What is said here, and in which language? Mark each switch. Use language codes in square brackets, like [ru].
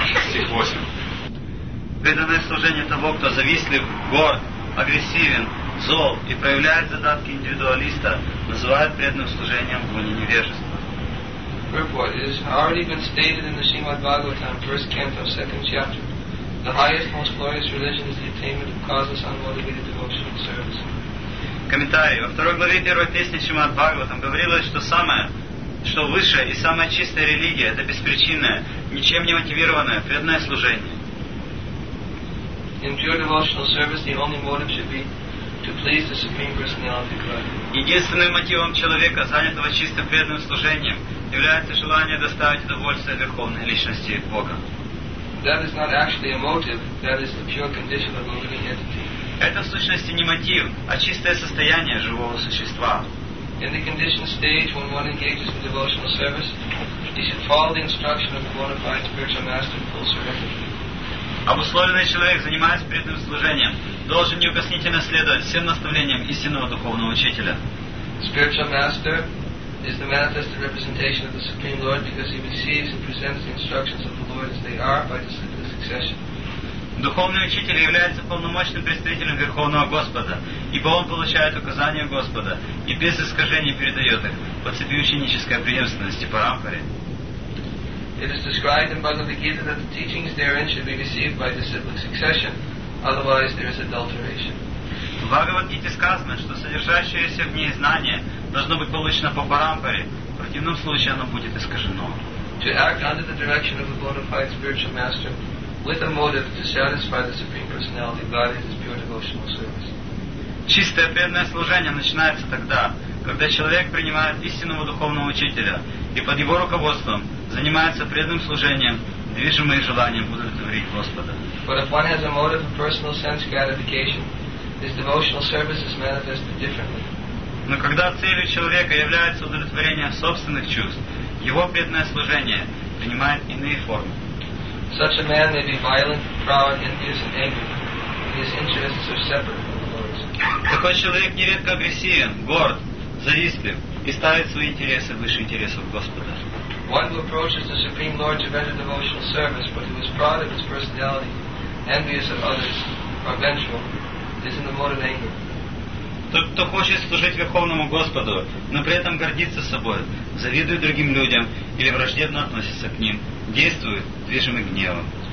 [ru] Стих 8. Преданное служение того, кто завистлив, горд, агрессивен, зол и проявляет задатки индивидуалиста, называют преданным служением в уни невежества. [en] Therefore, it has already been stated in the Srimad Bhagavatam, first canto, second chapter, the highest, most glorious religion is the attainment of causeless, unmotivated devotional service. [ru] Комментарий. Во второй главе первой песни Шримад Бхагаватам говорилось, что самое, что высшая и самая чистая религия — это беспричинное, ничем не мотивированное преданное служение. [en] In pure devotional service, the only motive should be to please the Supreme Personality of Godhead. [ru] Единственным мотивом человека, занятого чистым преданным служением, является желание доставить удовольствие Верховной Личности Бога. [en] That is not actually a motive, that is the pure condition of a living entity. [ru] Это в сущности не мотив, а чистое состояние живого существа. [en] In the conditioned stage, when one engages in devotional service, he should follow the instruction of the bona fide spiritual master in full surrender. [ru] Обусловленный человек, занимаясь преданным служением, должен неукоснительно следовать всем наставлениям истинного духовного учителя. [en] Spiritual master is the manifested representation of the Supreme Lord because he receives and presents the instructions of the Lord as they are by disciplinary succession. [ru] Духовный учитель является полномочным представителем Верховного Господа, ибо он получает указания Господа и без искажений передает их по цепи ученической преемственности парампаре. [en] It is described in Bhagavad Gita that the teachings therein should be received by disciplic succession, otherwise there is adulteration. [ru] В Бхагавад Гите сказано, что содержащееся в ней знание должно быть получено по парампаре, в противном случае оно будет искажено. [en] To act under the direction of a bona fide spiritual master with a motive to satisfy the Supreme Personality of God is pure devotional service. [ru] Чистое преданное служение начинается тогда, когда человек принимает истинного духовного учителя и под его руководством занимается преданным служением, движимое желанием удовлетворить Господа. [en] But if one has a motive of personal sense gratification, his devotional service is manifested differently. [ru] Но когда целью человека является удовлетворение собственных чувств, его преданное служение принимает иные формы. [en] Such a man may be violent, proud, envious, and angry. His interests are separate from the Lord's. [ru] Такой человек нередко агрессивен, горд, завистлив и ставит свои интересы выше интересов Господа. [en] One who approaches the Supreme Lord to render devotional service, but who is proud of his personality, envious of others, or vengeful, is in the mode of anger. [ru] Тот, кто хочет служить Верховному Господу, но при этом гордится собой, завидует другим людям или враждебно относится к ним, действует движимый гневом.